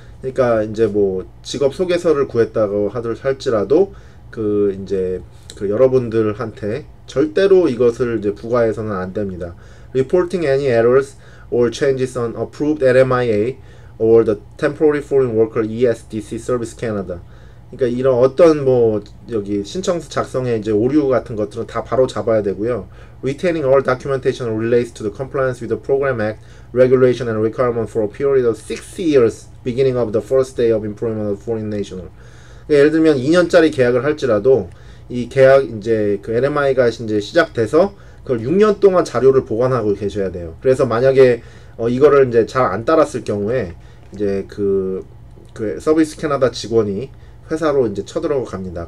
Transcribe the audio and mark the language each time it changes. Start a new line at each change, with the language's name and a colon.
Korean: 그러니까 이제 뭐 직업 소개서를 구했다고 하들 할지라도 그 여러분들한테 절대로 이것을 이제 부과해서는 안 됩니다.
English: Reporting any errors or changes on approved LMIA or the Temporary Foreign Worker ESDC Service Canada.
Korean: 그러니까 이런 어떤 뭐 여기 신청서 작성에 이제 오류 같은 것들은 다 바로 잡아야 되고요.
English: Retaining all documentation relates to the compliance with the Program Act, regulation and requirement for a period of 6 years beginning of the first day of employment of foreign national.
Korean: 예를 들면 2년짜리 계약을 할지라도 이 계약 이제 그 LMI가 이제 시작돼서 그걸 6년 동안 자료를 보관하고 계셔야 돼요. 그래서 만약에 이거를 이제 잘안 따랐을 경우에 이제 그 서비스 캐나다 직원이 회사로 이제 쳐들어가 갑니다.